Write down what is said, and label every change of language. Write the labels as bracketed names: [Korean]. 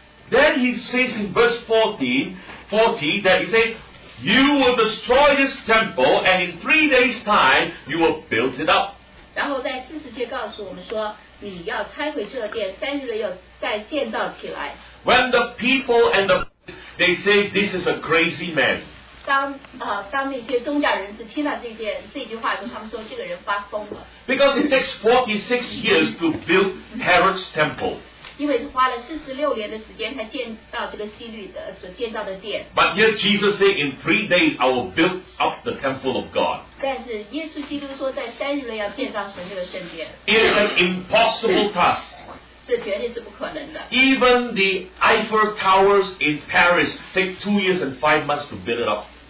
[English] Then he says in verse 40 that he said, You will destroy this temple, and in 3 days' time, you will build it up. When the people and the priests, they say, This is a crazy man. [Chinese] 当那些宗教人士听到这句话的时候，他们说这个人发疯了。 [English] Because it takes 46 years to build Herod's temple. [Chinese] 因为花了46年的时间才建造这个希律的所建造的殿。 [English] But here Jesus said, In 3 days I will build up the temple of God. [Chinese] 但是耶稣基督说在三日内要建造神这个圣殿。 [English] It is an impossible task. [Chinese] 这绝对是不可能的。 [English] Even the Eiffel Towers in Paris take 2 years and 5 months to build it up.